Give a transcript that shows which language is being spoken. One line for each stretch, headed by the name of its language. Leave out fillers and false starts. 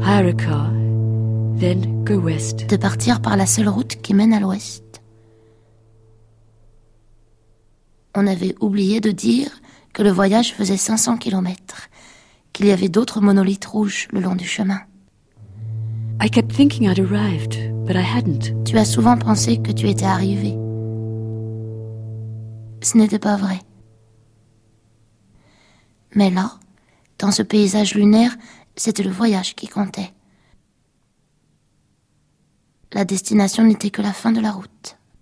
English: Hire a car. Then go west.
French: De partir par la seule route qui mène à l'ouest. on avait oublié de dire que le voyage faisait 500 kilomètres, qu'il y avait d'autres monolithes rouges le long du chemin.
English: I kept thinking I'd arrived, but I hadn't.
French: Tu as souvent pensé que tu étais arrivé. Ce n'était pas vrai. Mais là, dans ce paysage lunaire, c'était le voyage qui comptait. La destination n'était que la fin de la route.